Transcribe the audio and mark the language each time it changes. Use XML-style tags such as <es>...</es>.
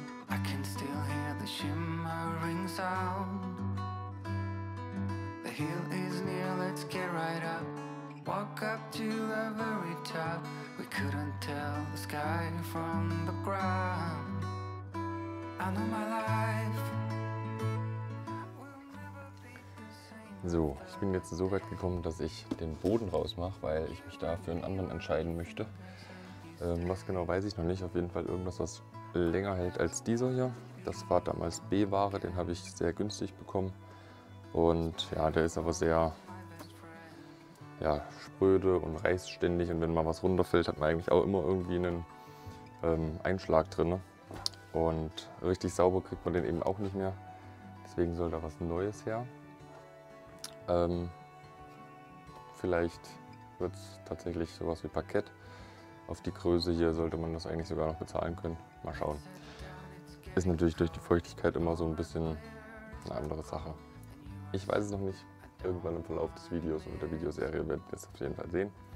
<en>I can still hear the shimmering sound. The hill is near, let's get right up. Walk up to the very top. We couldn't tell the sky from the ground. I know my life</en> <de>. So, ich bin jetzt so weit gekommen, dass ich den Boden rausmache, weil ich mich da für einen anderen entscheiden möchte. Was genau weiß ich noch nicht. Auf jeden Fall irgendwas, was länger hält als dieser hier. Das war damals B-Ware, den habe ich sehr günstig bekommen. Und ja, der ist aber sehr spröde und reißständig. Und wenn mal was runterfällt, hat man eigentlich auch immer irgendwie einen Einschlag drin. Und richtig sauber kriegt man den eben auch nicht mehr. Deswegen soll da was Neues her. Vielleicht wird es tatsächlich sowas wie Parkett. Auf die Größe hier sollte man das eigentlich sogar noch bezahlen können. Mal schauen. Ist natürlich durch die Feuchtigkeit immer so ein bisschen eine andere Sache. Ich weiß es noch nicht. Irgendwann im Verlauf des Videos oder der Videoserie werdet ihr es auf jeden Fall sehen.</de>